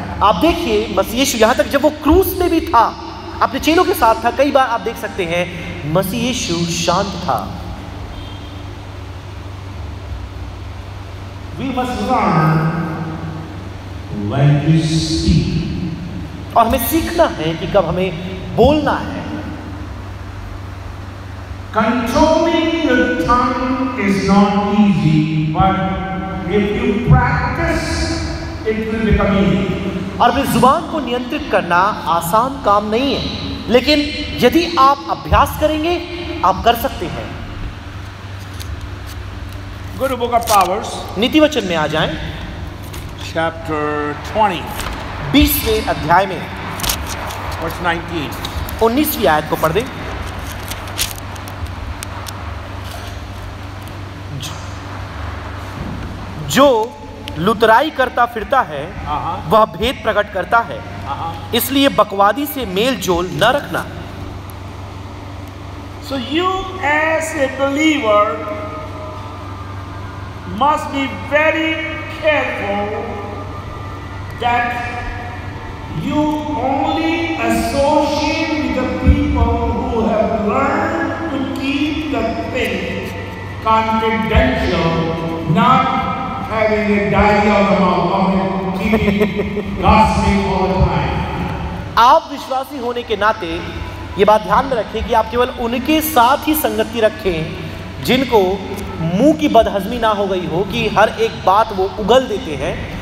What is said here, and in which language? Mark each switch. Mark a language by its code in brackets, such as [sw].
[hi] आप देखिए मसीह यीशु यहां तक जब वो क्रूस में भी था अपने चेलों के साथ था कई बार आप देख सकते हैं मसीह यीशु शांत था। [en] We must learn when you speak. [hi] और हमें सीखना है कि कब हमें बोलना है। [en] Controlling your tongue is not easy, but if you practice, [hi] और अपनी जुबान को नियंत्रित करना आसान काम नहीं है लेकिन यदि आप अभ्यास करेंगे आप कर सकते हैं। [en] गुरु book of proverbs [hi] नीति वचन में आ जाएं। [en] chapter 20 [hi] 20वें अध्याय में [en] verse 19 [hi] 19वीं आयत को पढ़ दें। जो लुतराई करता फिरता है वह भेद प्रकट करता है इसलिए बकवादी से मेल जोल न रखना। [en] So you as a believer must be very careful that you only associate with the people who have learned to keep the faith confidential, not [hi] आप विश्वासी होने के नाते ये बात ध्यान में रखें कि आप केवल उनके साथ ही संगति रखें जिनको मुंह की बदहजमी ना हो गई हो कि हर एक बात वो उगल देते हैं।